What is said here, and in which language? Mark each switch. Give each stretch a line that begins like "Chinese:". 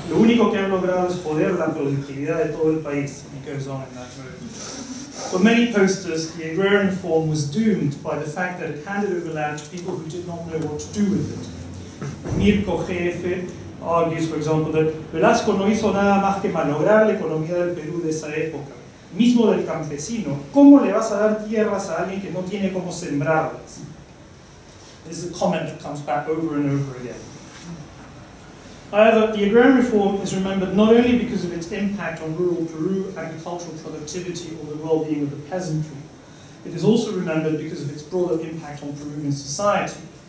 Spanish: Lo único que han logrado es joder la productividad de todo el país."
English: And he goes on in that mode. For many posters, the agrarian reform was doomed by the fact that it handed over land to people who did not know what to do with it. Mirko Jefe argues, for example, that Velasco
Spanish: no hizo nada más que manobrar la economía del Perú de esa época. Mismo del campesino, ¿cómo le vas a dar tierras a alguien que no tiene cómo sembrarlas?
English: This is a comment that comes back over and over again. However, the agrarian reform is remembered not only because of its impact on rural Peru, agricultural productivity, or the well-being of the peasantry. It is also remembered because of its broader impact on Peruvian society.